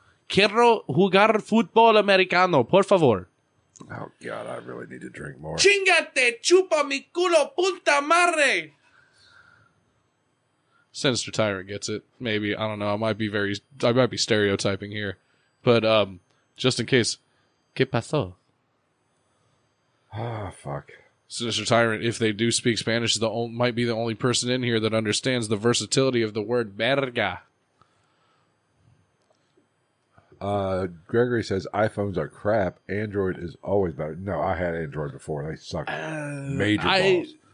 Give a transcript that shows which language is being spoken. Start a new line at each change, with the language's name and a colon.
Spanish: Quiero jugar fútbol americano, por favor.
English: Oh, God, I really need to drink more.
Spanish: Chingate, chupa mi culo, puta madre.
English: Sinister Tyrant gets it. Maybe, I don't know, I might be stereotyping here. But just in case,
Spanish: ¿qué pasó?
English: Ah, fuck. Sinister Tyrant, if they do speak Spanish, might be the only person in here that understands the versatility of the word verga. Gregory says iPhones are crap. Android is always better. No, I had Android before. They suck. Major balls.